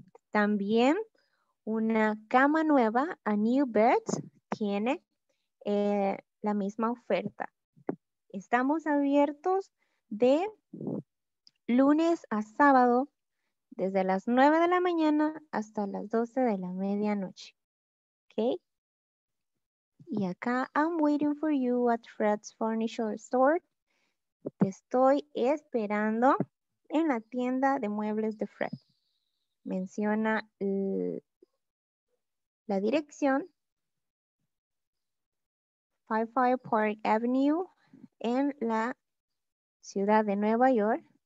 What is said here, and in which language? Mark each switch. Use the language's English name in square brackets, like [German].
[Spanish] También una cama nueva, [English] a new bed, [Spanish] tiene la misma oferta. Estamos abiertos de lunes a sábado, desde las 9 de la mañana hasta las 12 de la medianoche. ¿Ok? Y acá, [English] I'm waiting for you at Fred's Furniture Store. [Spanish] Te estoy esperando en la tienda de muebles de Fred. Menciona la dirección, 55 Park Avenue, en la ciudad de Nueva York.